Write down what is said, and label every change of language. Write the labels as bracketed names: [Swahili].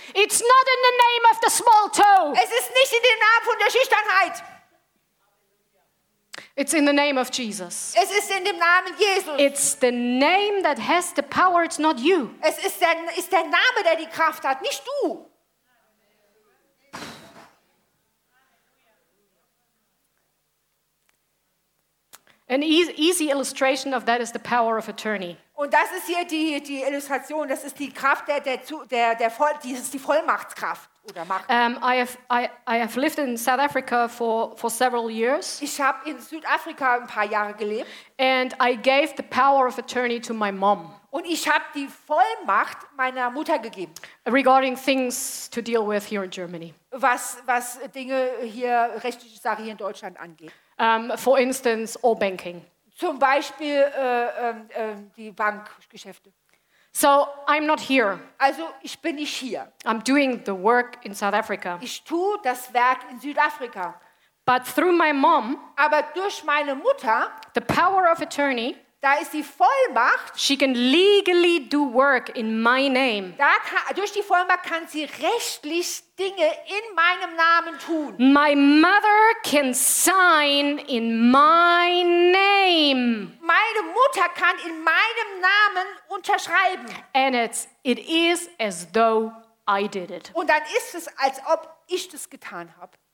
[English] It's not in the name of the small toe. [German] Es ist nicht in dem Namen von der Schüchternheit. [English] It's in the name of Jesus. [German] Es ist in dem Namen Jesus. [English] It's the name that has the power, it's not you. [German] Es ist der Name, der die Kraft hat, nicht du. [English] An easy illustration of that is the power of attorney. [German] Und das ist hier die Illustration, das ist die Kraft der Voll, die ist die Vollmachtskraft. [English] I have lived in South Africa for several years. [German] Ich habe in Südafrika ein paar Jahre gelebt. [English] And I gave the power of attorney to my mom. [German] Und ich habe die Vollmacht meiner Mutter gegeben. [English] Regarding things to deal with here in Germany. [German] Was Dinge hier rechtliche Sachen in Deutschland angeht. [English] For instance, all banking. [German] Zum Beispiel die Bankgeschäfte. [English] So I'm not here. [German] Also ich bin nicht hier. [English] I'm doing the work in South Africa. [German] Ich tue das Werk in Südafrika. [English] But through my mom, [German] aber durch meine Mutter, [English] the power of attorney, [German] da ist die Vollmacht. [English] She can legally do work in my name. [German] Durch die Vollmacht kann sie rechtlich Dinge in meinem Namen tun. [English] My mother can sign in my name. [German] Meine Mutter kann in meinem Namen unterschreiben. [English] And it is as though I did it. [German] Und dann ist es, als ob ich das getan habe.